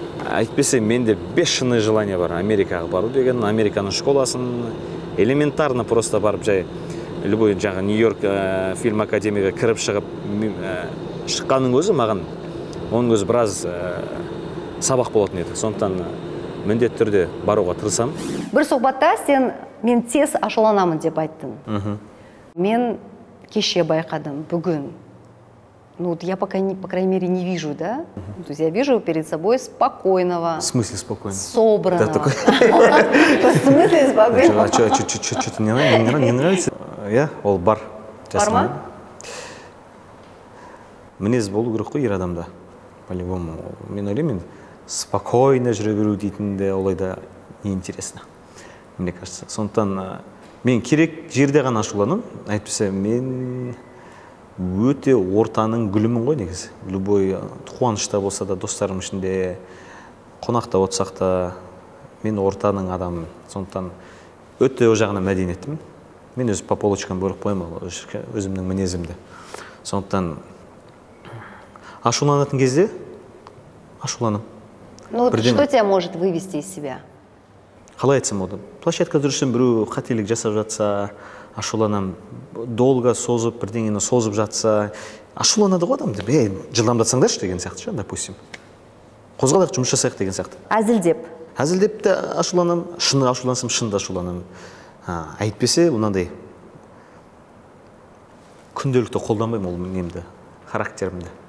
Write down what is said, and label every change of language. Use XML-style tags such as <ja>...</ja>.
<kk>Әйтпесе, менде 5 шыны желание бар Америкаға бару деген, Американың школасын элементарно просто барып жай, любой жағы Нью-Йорк фильм академияға кіріп шығып, шыққанның өзі маған, оның өзі біраз сабақ болатын еді. Сондықтан міндетті түрде баруға тырысам. Бір сұхбатта сен мен тез ашуланамын деп айттың. Мен кеше байқадым, бүгін.</kk> <ru>Ну вот я пока, по крайней мере, не вижу, да? То есть я вижу перед собой спокойного. В смысле спокойного? Собранного. В смысле спокойного? А что-то не нравится? Я?</ru> <kk>Ол бар. Бар ма? Мінез болу керек қой ер адамда. По-любому. Мен ойлаймын, спокойно жүре беру дейтінде олай да неинтересно.</kk> <ru>Мне кажется.</ru> <kk>Сондықтан мен керек жерде ғана ашуланым. Әйтпесе, мен өте ортаның гүлімін ғой негізі. Любой қуанышта болса да, достарым ішінде, қонақта отсақ та, мен ортаның адамымын. Сондықтан өте ол жағына мәдениеттімін. Мен өзім</kk> <ru>по полочкам</ru> <kk>бөліп қоймын өзімнің мінезімді. Сондықтан ашуланатын кезде ашуланым.</kk> <ru>Ну вот что тебя может вывести из себя?</ru> <kk>Қалай айтсам болады, площадка дұрысын біреу қателік жасап жатса, ашуланам, долға созып, бірдеңені созып жатса, ашуланады ғой адамды, бе, жылдамдатсаңдаршы деген сияқты, допустим. Қозғалайық, жұмыс жасайық деген сияқты. Әзілдеп. Әзіл деп те ашуланым, шыны ашулансым, шынды ашуланым. Әйтпесе, ұнандай күнделікті қолданбаймын ол немді, характерімді.</kk>